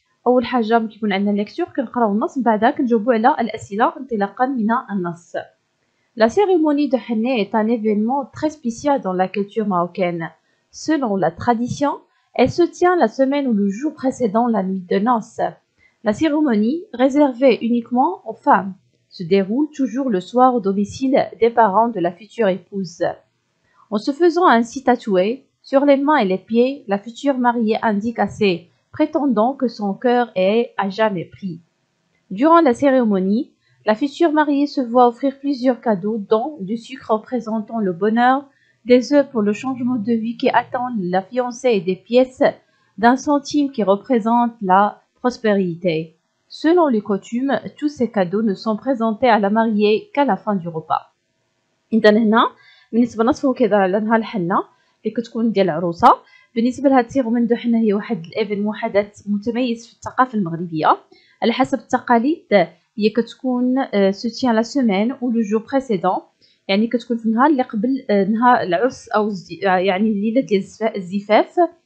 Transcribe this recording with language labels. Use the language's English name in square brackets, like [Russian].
[Arabic] اول حاجه ملي كيكون عندنا ليكتور كنقراو النص، من بعدها كنجاوبو على الاسئله انطلاقا من النص. [French] La cérémonie de henné est un événement très spécial dans la culture marocaine. Selon la tradition, elle se tient la semaine ou le jour précédant la nuit de noces. La cérémonie, réservée uniquement aux femmes, se déroule toujours le soir au domicile des parents de la future épouse. En se faisant ainsi tatouer, sur les mains et les pieds, la future mariée indique à ses prétendants que son cœur est à jamais pris. Durant la cérémonie, la future mariée se voit offrir plusieurs cadeaux, dont du sucre représentant le bonheur, des œufs pour le changement de vie qui attend la fiancée et des pièces d'un centime qui représentent la prospérité. Selon les coutumes, tous ces cadeaux ne sont présentés à la mariée qu'à la fin du repas. [Arabic] بالنسبه لنصفو كي دار على نهار الحنه اللي كتكون ديال العروسه. بالنسبه لهاد السيرومون دو حنه، هي واحد الايفينمون حدث متميز في الثقافه المغربيه. على حسب التقاليد هي كتكون سوتيان لا سيمين او لو جو بريسيدون، يعني كتكون في النهار اللي قبل نهار العرس او يعني الليله ديال الزفاف.